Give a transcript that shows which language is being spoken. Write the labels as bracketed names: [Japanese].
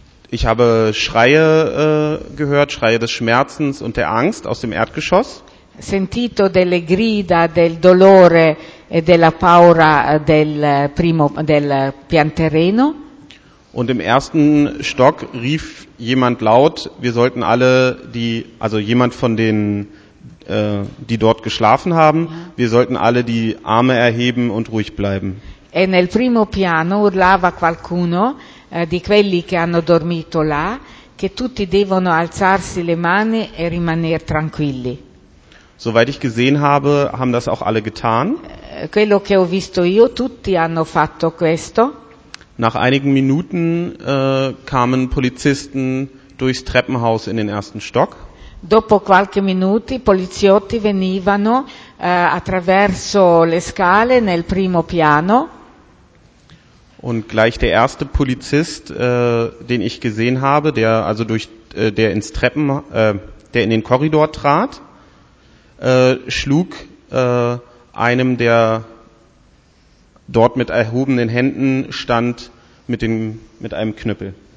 [German] Ich habe Schreie gehört, Schreie des Schmerzens und der Angst aus dem Erdgeschoss. [Italian] Sentito delle grida, del dolore e della paura del pian terreno. [German] Und im ersten Stock rief jemand laut, wir sollten alle jemand von den die dort geschlafen haben, wir sollten alle die Arme erheben und ruhig bleiben. [Italian] E nel primo piano urlava qualcuno di quelli che hanno dormito là, che tutti devono alzarsi le mani e rimanere tranquilli. [German] Soweit ich gesehen habe, haben das auch alle getan. [Italian] Quello che ho visto io, tutti hanno fatto questo. [German] Nach einigen Minuten kamen Polizisten durchs Treppenhaus in den ersten Stock. [Italian] Dopo qualche minuto i poliziotti venivano attraverso le scale nel primo piano. [German] Und gleich der erste Polizist, den ich gesehen habe, der also der in den Korridor trat, schlug einem der dort mit erhobenen Händen stand mit einem Knüppel.